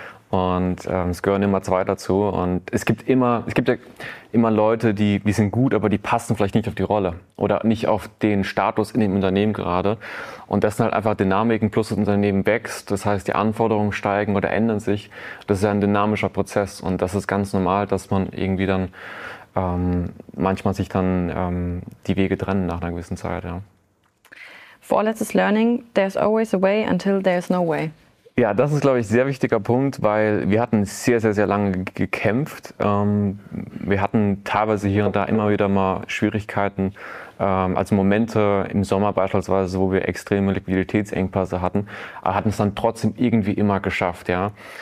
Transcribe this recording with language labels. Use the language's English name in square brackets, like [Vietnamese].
[German] Und es gehören immer 2 dazu. Und es gibt ja immer Leute, die sind gut, aber die passen vielleicht nicht auf die Rolle oder nicht auf den Status in dem Unternehmen gerade. Und das sind halt einfach Dynamiken, plus das Unternehmen wächst. Das heißt, die Anforderungen steigen oder ändern sich. Das ist ja ein dynamischer Prozess. Und das ist ganz normal, dass man irgendwie dann manchmal sich dann die Wege trennen nach einer gewissen Zeit. Ja. Vorletztes Learning, [English] there's always a way until there's no way. [German] Ja, das ist, glaube ich, ein sehr wichtiger Punkt, weil wir hatten sehr, sehr, sehr lange gekämpft. Wir hatten teilweise hier und da immer wieder mal Schwierigkeiten, also Momente im Sommer beispielsweise, wo wir extreme Liquiditätsengpässe hatten, aber hatten es dann trotzdem irgendwie immer geschafft, ja.